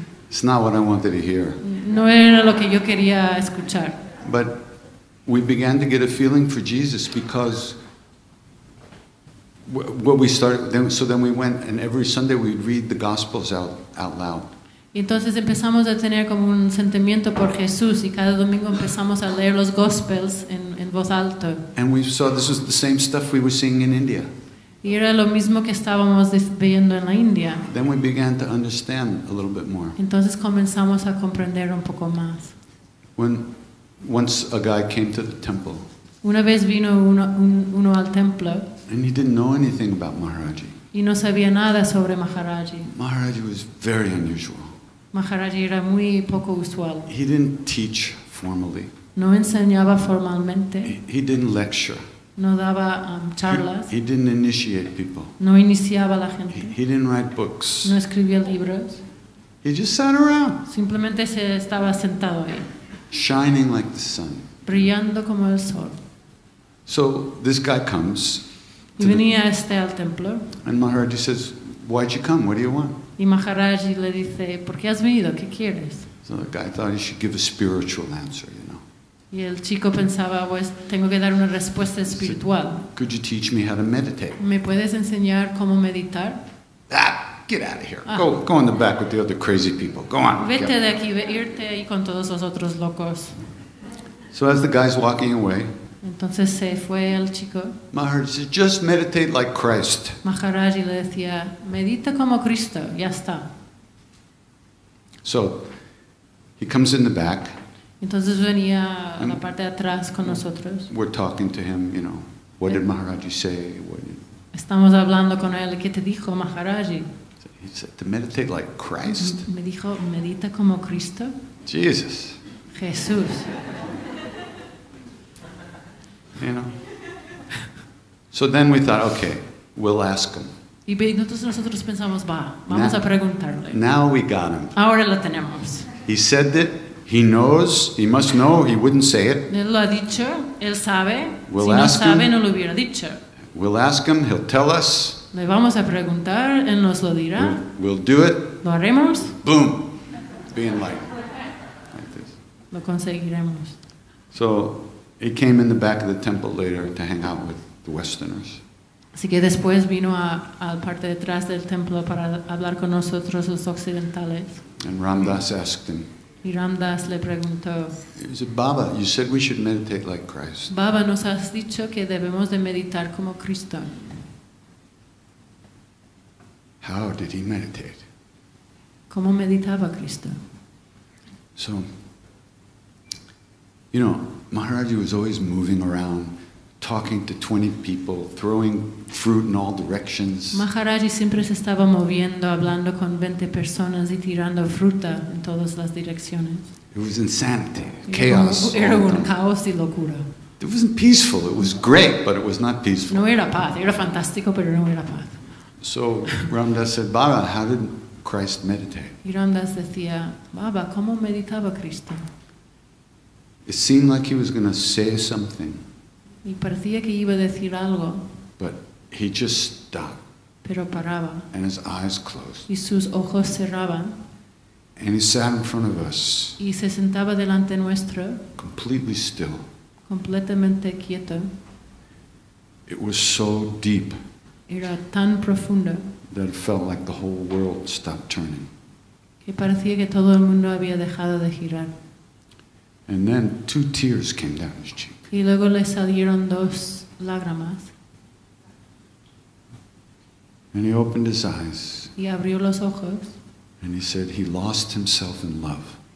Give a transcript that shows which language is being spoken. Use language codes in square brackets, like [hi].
[en] It's not what I wanted to hear. [es] No era lo que yo quería escuchar. [en] But we began to get a feeling for Jesus because what we started, then, so then we went and every Sunday we'd read the Gospels out loud. [es] Y entonces empezamos a tener como un sentimiento por Jesús y cada domingo empezamos a leer los Gospels en voz alta. [en] And we saw this was the same stuff we were seeing in India. [es] Y era lo mismo que estábamos viendo en la India. [en] Then we began to understand a little bit more. [es] Entonces comenzamos a comprender un poco más. [en] Once a guy came to the temple. [es] Una vez vino uno al templo. [en] And he didn't know anything about Maharajji. [es] Y no sabía nada sobre Maharajji. [en] Maharajji was very unusual. [es] Maharajji era muy poco usual. [en] He didn't teach formally. [es] No enseñaba formalmente. [en] He didn't lecture. [es] No daba charlas. [en] He didn't initiate people. [es] No iniciaba la gente. [en] He didn't write books. [es] No escribía libros. [en] He just sat around. [es] Simplemente se estaba sentado ahí. [en] Shining like the sun. [es] Brillando como el sol. [en] So this guy comes. [es] Y venía este al templo. [en] And Maharaji says, "Why'd you come? What do you want?" [es] Y Maharaji le dice, "¿Por qué has venido? ¿Qué quieres?" [en] So the guy thought he should give a spiritual answer. [es] Y el chico pensaba, pues, tengo que dar una respuesta espiritual. [en] So, could you teach me how to meditate? [es] ¿Me puedes enseñar cómo meditar? [en] Ah, get out of here. Ah. Go in the back with the other crazy people. Go on. [es] Vete de aquí, irte ahí con todos los otros locos. [en] So as the guy's walking away, [es] entonces se fue el chico. [en] Maharaj said, just meditate like Christ. [es] Maharaj le decía, medita como Cristo, ya está. [en] So, he comes in the back. [es] Entonces venía a la parte de atrás con nosotros. [en] We're talking to him, you know. What did Maharajji say? [es] Estamos hablando con él. ¿Qué te dijo Maharajji? [en] He said to meditate like Christ. [es] Me dijo, medita como Cristo. [en] Jesus. [es] Jesús. [en] You know. So then we thought, okay, we'll ask him. [es] Y entonces nosotros pensamos, va, vamos a preguntarle. [en] Now we got him. [es] Ahora lo tenemos. [en] He said that he knows, he must know, he wouldn't say it. [es] Él lo ha dicho, él sabe. [en] We'll [es] si [en] ask [es] no sabe, [en] him, [es] no lo hubiera dicho. [en] We'll ask him, he'll tell us. [es] Le vamos a preguntar, él nos lo dirá. [en] We'll do it. [es] Lo haremos. [en] Boom. Be enlightened. Like this. [es] Lo conseguiremos. [en] So he came in the back of the temple later to hang out with the Westerners. [es] Así que después vino a parte detrás del templo para hablar con nosotros los occidentales. [en] And Ramdas asked him. [es] Y Ramdas le preguntó. [en] He said, Baba, you said we should meditate like Christ. [es] Baba, nos has dicho que debemos de meditar como Cristo. [en] How did he meditate? [es] ¿Cómo meditaba Cristo? [en] So, you know, Maharaji was always moving around, talking to 20 people, throwing fruit in all directions. [es] Maharaji siempre se estaba moviendo, hablando con 20 personas y tirando fruta en todas las direcciones. [en] It was insanity, chaos. [es] Era un caos y locura. [en] It wasn't peaceful. It was great, but it was not peaceful. [es] No era paz. Era fantástico, pero no era paz. [en] So Ramdas said, Baba, how did Christ meditate? [es] Y Ramdas decía, Baba, ¿cómo meditaba Cristo? [en] It seemed like he was going to say something. [es] Y parecía que iba a decir algo. [en] But he just stopped. [es] Pero paraba. [en] And his eyes closed. [es] Y sus ojos cerraban. [en] And he sat in front of us. [es] Y se sentaba delante nuestro. [en] Completely still. [es] Completamente quieto. [en] It was so deep. [es] Era tan profundo. [en] That it felt like the whole world stopped turning. [es] Que parecía que todo el mundo había dejado de girar. [en] And then two tears came down his cheek. [es] Y luego le salieron dos lágrimas. [en] And he opened his eyes. [es] Y abrió los ojos. [en] And he said he lost himself in love.